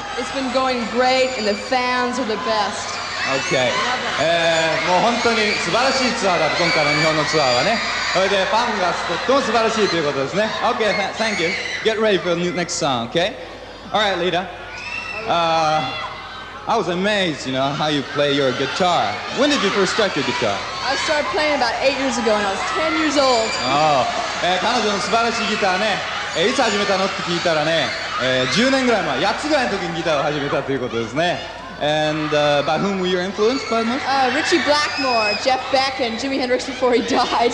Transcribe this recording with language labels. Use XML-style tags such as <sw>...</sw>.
<en>It's been going great and the fans are the best. Okay.</en> <ja>もう本当に素晴らしいツアーだと、今回の日本のツアーはね。それでファンがとっても素晴らしいということですね。</ja> <en>Okay, thank you. Get ready for the next song, okay? Alright, Lita. I was amazed, you know, how you play your guitar. When did you first start your guitar? I started playing about 8 years ago and I was 10 years old.</en> <ja>Oh, 彼女の素晴らしいギターね、いつ始めたのって聞いたらね、10年ぐらい前、8つぐらいの時にギターを始めたということですね。</ja> <en>And by whom were you influenced by most? Richie Blackmore, Jeff Beck, and Jimi Hendrix before he died.</en>